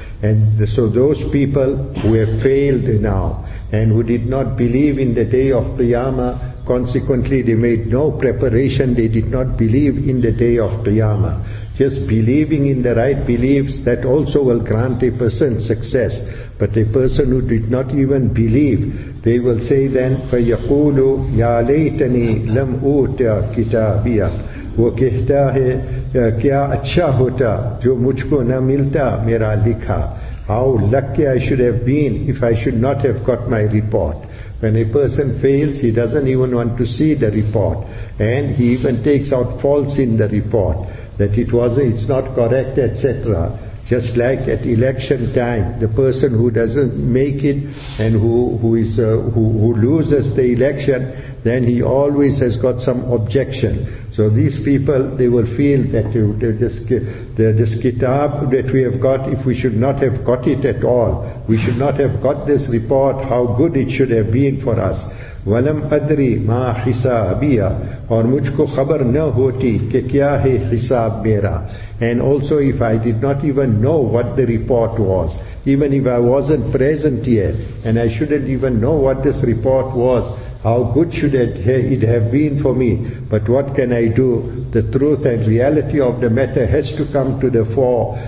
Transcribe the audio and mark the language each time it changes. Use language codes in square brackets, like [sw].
[en] And so those people who have failed now, and who did not believe in the day of Qiyamah, consequently they made no preparation, they did not believe in the day of Qiyamah. Just believing in the right beliefs, that also will grant a person success. But a person who did not even believe, they will say then, [ar] فَيَقُولُ يَا لَيْتَنِي لَمْ أُوتَ كِتَابِيَا. [ur] وہ کہتا ہے کیا اچھا ہوتا جو مجھ کو نہ ملتا میرا لکھا. [en] How lucky I should have been if I should not have got my report. When a person fails, he doesn't even want to see the report, and he even takes out faults in the report, that it's not correct, etc. Just like at election time, the person who doesn't make it and who loses the election, then he always has got some objection. So these people, they will feel that this kitab that we have got, if we should not have got it at all, we should not have got this report, how good it should have been for us. [ar] وَلَمْ أَدْرِ مَا حِسَابِيَا. [ur] اور مجھ کو خبر نہ ہوتی کہ کیا ہے حساب میرا. [en] And also, if I did not even know what the report was, even if I wasn't present here, and I shouldn't even know what this report was, how good should it have been for me? But what can I do? The truth and reality of the matter has to come to the fore.